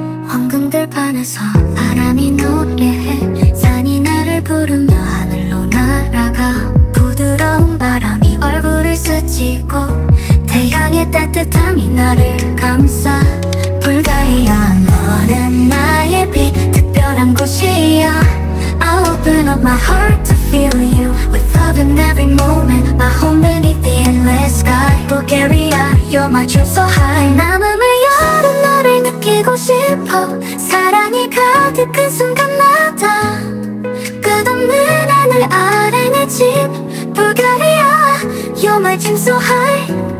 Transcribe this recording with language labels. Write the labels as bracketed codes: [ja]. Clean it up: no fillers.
[ko] 황금들 반해서 바람이 노래해. 산이 나를 부르며 하늘로 날아가. 부드러운 바람이 얼굴을 스치고 태양의 따뜻함이 나를 감싸. Bulgaria, 너는 나의 빛, 특별한 곳이야. [en] I open up my heart to feel you with love in every moment. My home beneath the endless sky. Bulgaria, you're my dream so high. [ko] 남음의 여름 너를 느끼고 싶어. 사랑이 가득한 순간마다 끝없는 하늘 아래 내 집. [en] Bulgaria, you're my dream so high.